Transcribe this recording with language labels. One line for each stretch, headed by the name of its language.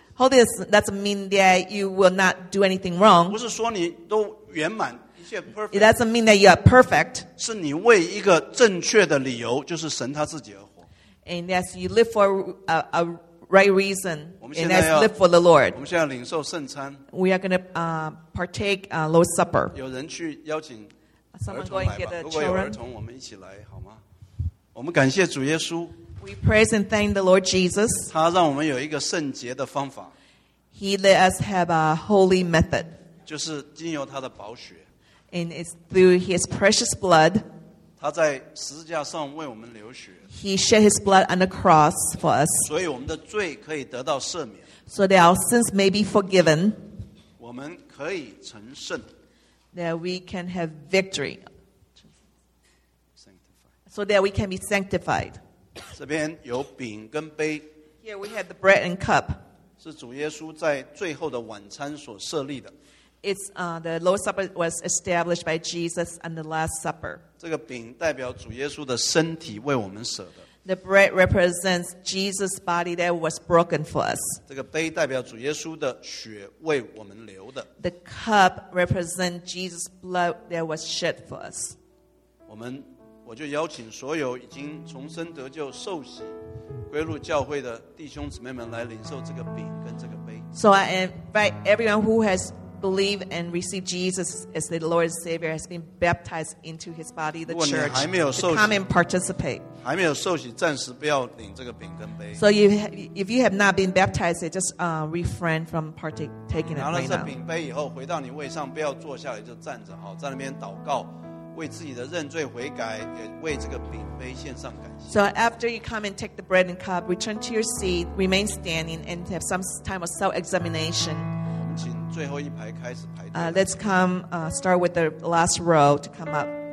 English: Holiness doesn't mean that you will not do anything wrong.
Chinese: 不是说你都圆满。
English: It doesn't mean that you are perfect.
Chinese: 是你为一个正确的理由，就是神他自己而活。
English: And as you live for a right reason, and as you live for the Lord,
Chinese: 我们现在领受圣餐。
English: We are going to partake Lord's Supper.
Chinese: 有人去邀请儿童来吧。
English: Someone go and get the children.
Chinese: 如果有儿童，我们一起来好吗？我们感谢主耶稣。
English: We praise and thank the Lord Jesus.
Chinese: 他让我们有一个圣洁的方法。
English: He let us have a holy method.
Chinese: 就是经由他的宝血。
English: And it's through his precious blood.
Chinese: 他在十字架上为我们流血。
English: He shed his blood on the cross for us.
Chinese: 所以我们的罪可以得到赦免。
English: So that our sins may be forgiven.
Chinese: 我们可以成圣。
English: That we can have victory. So that we can be sanctified.
Chinese: 这边有饼跟杯。
English: Here we have the bread and cup.
Chinese: 是主耶稣在最后的晚餐所设立的。
English: It's the Lord's Supper was established by Jesus on the Last Supper.
Chinese: 这个饼代表主耶稣的身体为我们舍的。
English: The bread represents Jesus' body that was broken for us.
Chinese: 这个杯代表主耶稣的血为我们流的。
English: The cup represents Jesus' blood that was shed for us.
Chinese: 我就邀请所有已经重生得救受洗归入教会的弟兄姊妹们来领受这个饼跟这个杯。
English: So I invite everyone who has believe and receive Jesus as the Lord and Savior has been baptized into his body, the church, to come and participate.
Chinese: 还没有受洗，暂时不要领这个饼跟杯。
English: So if you have not been baptized, just refrain from taking it right now.
Chinese: 拿了这饼杯以后，回到你位上，不要坐下来，就站着哈，在那边祷告，为自己的认罪悔改，也为这个饼杯献上感谢。
English: So after you come and take the bread and cup, return to your seat, remain standing, and have some time of self-examination.
Chinese: 最后一排开始排队。
English: Let's come, start with the last row to come up.